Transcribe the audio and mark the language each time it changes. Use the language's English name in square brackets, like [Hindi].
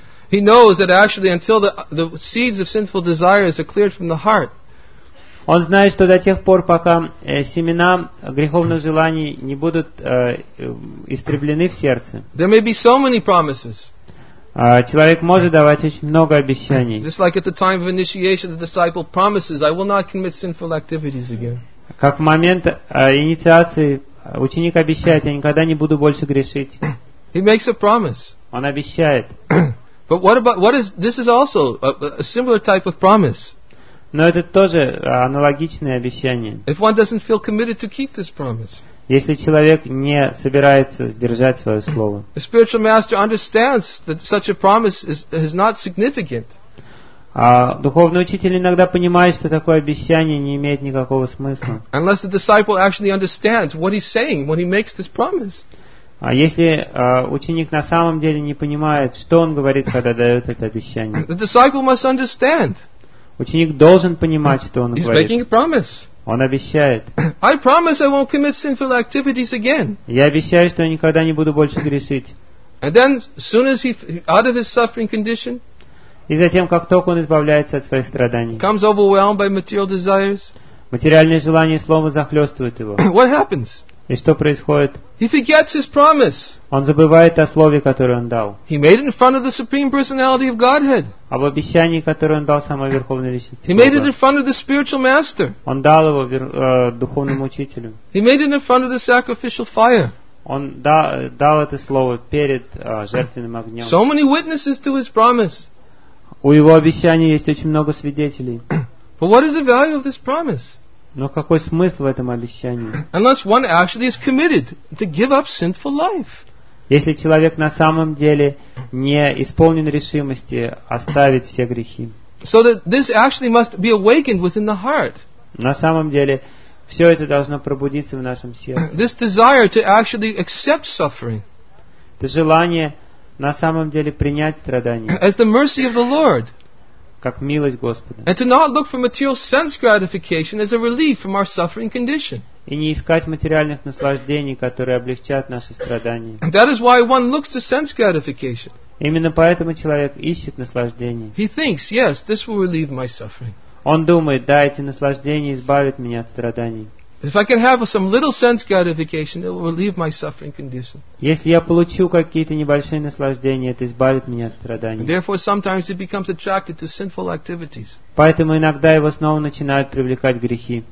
[English] He knows that actually until the seeds of sinful desires are cleared from the heart, [Russian] он знает, что до тех пор, пока семена греховных желаний не будут истреблены в сердце, [English] there may be so many promises. [Russian] Человек может давать очень много обещаний. [English] Just like at the time of initiation, the disciple promises, I will not commit sinful activities again. [Russian] Как в момент инициации ученик обещает, я никогда не буду больше грешить. [English] He makes a promise. [Russian] Он обещает. [English] But this is also a similar type of promise. [Russian] Но это тоже аналогичное обещание. [English] If one doesn't feel committed to keep this promise. [Russian] Если человек не собирается сдержать свое слово. [English] The spiritual master understands that such a promise is not significant. [Russian] Духовный учитель иногда понимает, что такое обещание не имеет никакого смысла. [English] Unless the disciple actually understands what he's saying when he makes this promise. [Russian] А если ученик на самом деле не понимает, что он говорит, когда дает это обещание. [English] The disciple must understand. [Russian] Ученик должен понимать, что он [English] He's [Russian] говорит. [English] Making a promise. [Russian] Он обещает. [English] I promise I won't commit sinful activities again. [Russian] Я обещаю, что я никогда не буду больше грешить. [English] And then, soon as he out of his suffering condition, [Russian] и затем, как только он избавляется от своих страданий, [English] comes overwhelmed by material desires, [Russian] материальные желания словно захлестывают его. [English] What happens? [Russian] И что происходит? [English] He forgets his promise. [Russian] Он забывает о слове, которое он дал. [English] He made it in front of the Supreme Personality of Godhead. [Russian] Об обещании, которое он дал самой Верховной Личности. [English] He made it in front of the spiritual master. [Russian] Он дал его духовному учителю. [English] He made it in front of the sacrificial fire. [Russian] Он дал это слово перед жертвенным огнем. [English] So many witnesses to his promise. [Russian] У его обещания есть очень много свидетелей. [English] But what is the value of this promise? [Russian] Но какой смысл в этом обещании? [English] Unless one actually is committed to give up sinful life. [Russian] Если человек на самом деле не исполнен решимости оставить все грехи. [English] So that this actually must be awakened within the heart. [Russian] На самом деле все это должно пробудиться в нашем сердце. [English] This desire to actually accept suffering. [Russian] Это желание на самом деле принять страдания. [English] As the mercy of the Lord. [Russian] Как милость Господа. [English] And to not look for material sense gratification as a relief from our suffering condition. [Russian] И не искать материальных наслаждений, которые облегчат наши страдания. [English] That is why one looks to sense gratification. [Russian] Именно поэтому человек ищет наслаждение. [English] He thinks, yes, this will relieve my suffering. [Russian] Он думает, да, эти наслаждения избавят меня от страданий. [English] If I can have some little sense gratification, it will relieve my suffering condition. [Russian] Если я получу какие-то небольшие наслаждения, это избавит меня от страданий. [English] Therefore, sometimes it becomes attracted to sinful activities. [Russian] Поэтому иногда его снова начинают привлекать грехи.